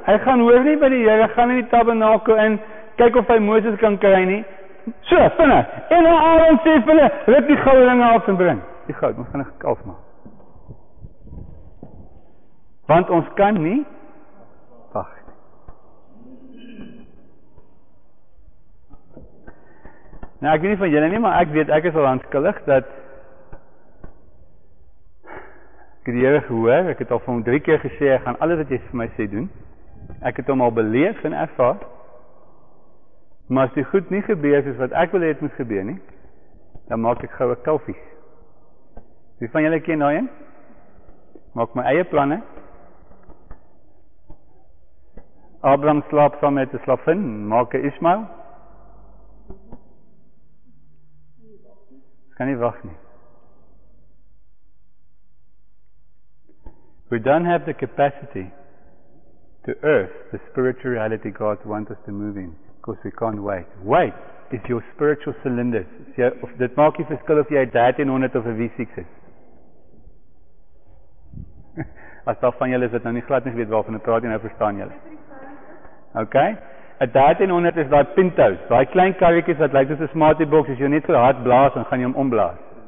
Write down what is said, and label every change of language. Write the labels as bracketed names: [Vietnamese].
[Afrikaans] Hy gaan hoor nie by die Here, gaan in die tabernakel in, kyk of hy Moses kan kry nie. So, vinnig. En nou Aaron sê vir hulle, rip die goue ringe af en bring. Die goud, ons gaan een kalf maak. Want ons kan nie nou, ek weet nie van julle nie, maar ek weet, ek is al aanskuldig, dat ek het die Here gehoor, ek het al van 3 keer gesê, ek gaan alles wat jy vir my sê doen, ek het hom al beleef en ervaar, maar as die goed nie gebeur, soos wat ek wil het moet gebeur nie, dan maak ek gauwe kalfies. Wie van julle ken daarin? Maak my eie planne. Abraham slaap saam met die slavin, maak een Ismael, kan nie wag nie. [English] We don't have the capacity to earth the spiritual reality God wants us to move in, because we can't wait. Wait is your spiritual cylinder. [Afrikaans] Dit maak nie verskil of jy 1300 of 'n V6 is. As daar van julle is wat nou nie glad nie weet waarvan ek praat nie, nou verstaan julle. Okay? 'N 1300 is daai Pintos, daai klein karretjies wat lyk soos 'n smartie boks, as jy net so hard blaas dan gaan jy hom omblaas.